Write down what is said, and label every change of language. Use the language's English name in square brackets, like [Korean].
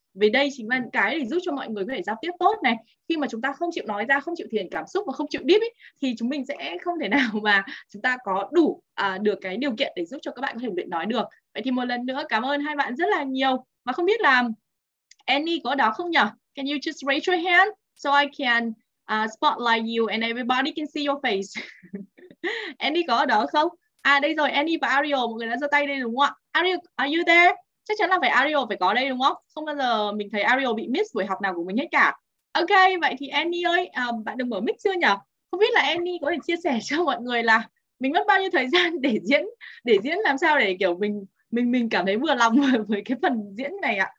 [Vietnamese] Vì đây chính là những cái để giúp cho mọi người có thể giao tiếp tốt này. Khi mà chúng ta không chịu nói ra, không chịu thể hiện cảm xúc và không chịu deep ý, thì chúng mình sẽ không thể nào mà chúng ta có đủ được cái điều kiện để giúp cho các bạn có thể luyện nói được. Vậy thì một lần nữa cảm ơn hai bạn rất là nhiều. Và không biết là Annie có ở đó không nhỉ? [English] Can you just raise your hand so I can spotlight you and everybody can see your face? [Vietnamese] Annie có ở đó không? À đây rồi, Annie và Ariel, một người đã giơ tay đây đúng không ạ? Ariel, [English] are you there? [Vietnamese] Chắc chắn là phải Ariel phải có đây đúng không? Không bao giờ mình thấy Ariel bị miss buổi học nào của mình hết cả. Ok, vậy thì Annie ơi, bạn đừng mở mic chưa nhỉ? Không biết là Annie có thể chia sẻ cho mọi người là mình mất bao nhiêu thời gian để diễn làm sao để kiểu mình cảm thấy vừa lòng với cái phần diễn này ạ?